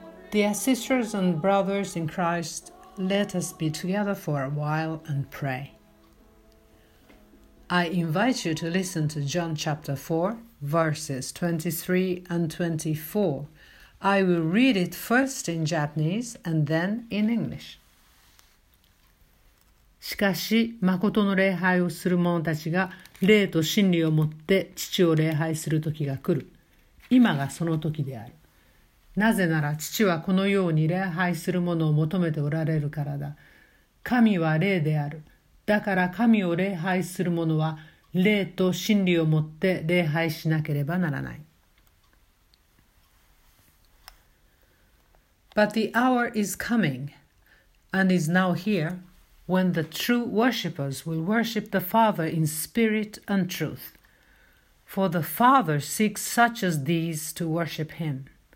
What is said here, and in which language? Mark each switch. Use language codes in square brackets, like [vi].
[en] Dear sisters and brothers in Christ, let us be together for a while and pray. I invite you to listen to John chapter 4, verses 23 and 24. I will read it first in Japanese and then in English. [ja] しかし、誠の礼拝をする者たちが、礼と真理をもって父を礼拝する時が来る。今がその時である。なぜなら父はこのように礼拝するものを求めておられるからだ。神は霊である。だから神を礼拝する者は霊と真理をもって礼拝しなければならない。 [en] But the hour is coming and is now here when the true worshippers will worship the Father in spirit and truth. For the Father seeks such as these to worship him.